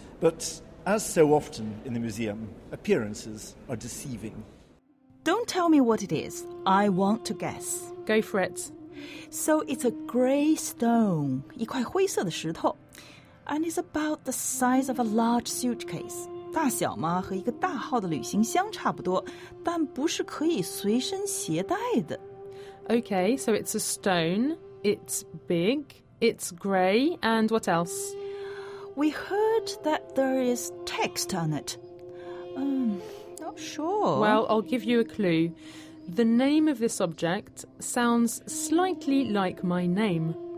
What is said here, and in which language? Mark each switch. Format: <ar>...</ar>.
<en>But as so often in the museum, appearances are deceiving. Don't tell me what it is. I want to guess. Go for it. So it's a grey stone,</en> <zh>一块灰色的石头</zh> <en>and it's about the size of a large suitcase.</en> <zh>大小嘛和一个大号的旅行箱差不多，但不是可以随身携带的。</zh> <en>Okay, so it's a stone, it's big, it's grey, and what else? We heard that there is text on it. Not sure. Well, I'll give you a clue. The name of this object sounds slightly like my name.</en>